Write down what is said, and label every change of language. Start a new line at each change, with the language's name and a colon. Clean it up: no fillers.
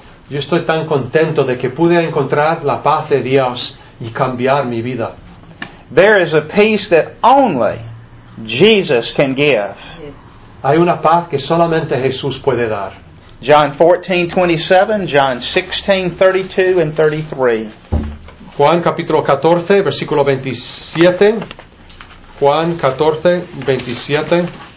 Spanish: Yo estoy tan contento de que pude encontrar la paz de Dios y cambiar mi vida.
English: There is a peace that only Jesus can give. Yes.
Spanish: Hay una paz que solamente Jesús puede dar.
English: John 14:27, John 16:32-33.
Spanish: Juan capítulo 14, versículo 27. Juan 14:27.